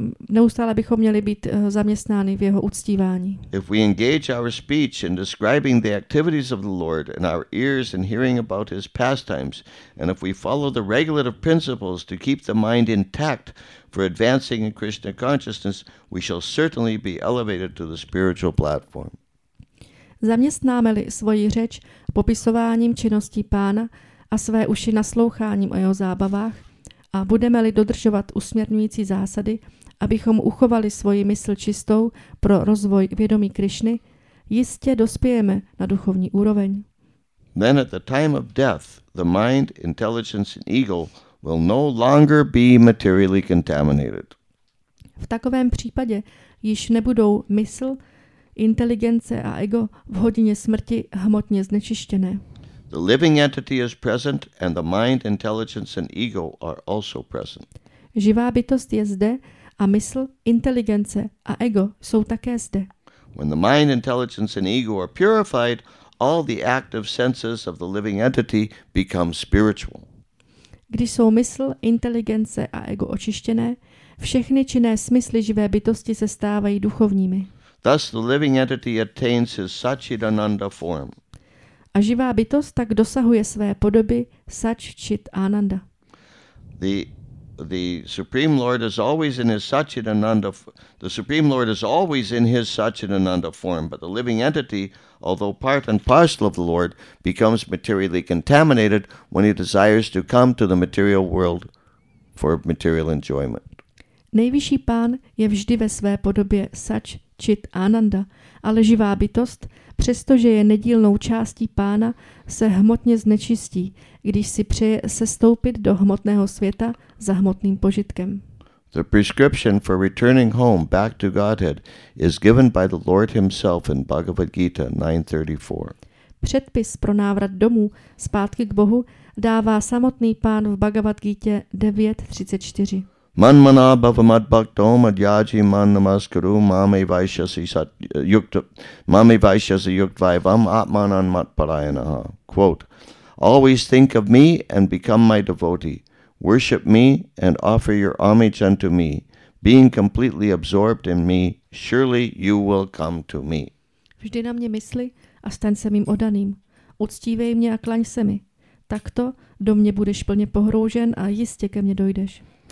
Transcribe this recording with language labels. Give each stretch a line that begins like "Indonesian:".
Czech: Neustále bychom měli být zaměstnáni v jeho uctívání.
English: If we engage our speech in describing the activities of the Lord and our ears in hearing about his pastimes, and if we follow the regulative principles to keep the mind intact for advancing in Krishna consciousness, we shall certainly be elevated to the spiritual platform.
Czech: Zaměstnáme-li svoji řeč popisováním činností Pána a své uši nasloucháním o jeho zábavách, a budeme-li dodržovat usměrňující zásady, abychom uchovali svoji mysl čistou pro rozvoj vědomí Krišny, jistě dospějeme na duchovní úroveň.
English: Then at the time of death, the mind, intelligence and ego will no longer be materially contaminated.
Czech: V takovém případě již nebudou mysl, inteligence a ego v hodině smrti hmotně znečištěné.
English: The living entity is present and the mind, intelligence and ego are also present.
Czech: Živá bytost je zde a mysl, inteligence a ego jsou také zde.
English: When the mind, intelligence and ego are purified, all the active senses of the living entity become spiritual.
Czech: Když jsou mysl, inteligence a ego očištěné, všechny činné smysly živé bytosti se stávají duchovními.
English: Thus the living entity attains his Sat-Chit-Ananda form.
Czech: A živá bytost tak dosahuje své podoby Sat-Chit-Ananda.
English: The Supreme Lord is always in his Sat-Chit-Ananda. The Supreme Lord is always in his Sat-Chit-Ananda form, but the living entity, although part and parcel of the Lord, becomes materially contaminated when he desires to come to the material world for material enjoyment.
Czech: Nejvyšší pán je vždy ve své podobě Sat-Chit-Ananda, ale živá bytost, přestože je nedílnou částí pána, se hmotně znečistí, když si přeje sestoupit do hmotného světa za hmotným požitkem.
English: The prescription for returning home back to Godhead is given by the Lord himself in Bhagavad Gita 9:34.
Czech: Předpis pro návrat domů zpátky k Bohu dává samotný pán v Bhagavad Gita 9:34.
Sanskrit: Man mana bhavamad bhaktom adyaji man namaskaru mame vaishyasi yuktvaivam atmanan matparayanaha.
English: Quote, always think of me and become my devotee. Worship me and offer your homage unto me. Being completely absorbed in me, surely you will come to me.
Czech: Vždy na mě mysli a staň se mým odaným. Uctívej mě a klaň se mi. Takto do mě budeš plně pohroužen a jistě ke mně dojdeš.